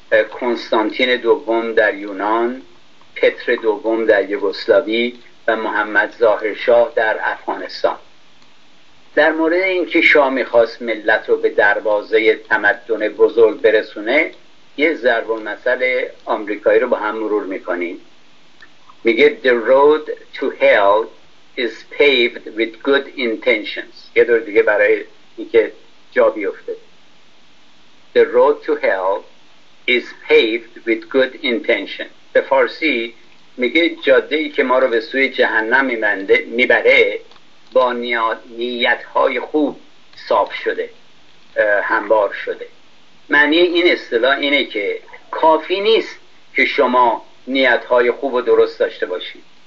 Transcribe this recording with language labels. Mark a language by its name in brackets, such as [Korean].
[Persian] کنستانتین دوم در یونان، پتر دوم در یوگسلاوی و محمد ظاهرشاه در افغانستان. در مورد اینکه شاه میخواست ملت رو به دروازه تمدن بزرگ برسونه، یه ضرب المثل آمریکایی رو با هم مرور میکنیم. میگه [English] The road to hell is paved with good intentions. [Persian] یه دور دیگه برای اینکه جا بیفته. [English] The road to hell is paved with good intentions. [Persian] به فارسی میگه جاده‌ای که ما رو به سوی جهنم میبره با نیت‌های خوب صاف شده، هموار شده. معنی این اصطلاح اینه که کافی نیست که شما نیت‌های خوب و درست داشته باشید.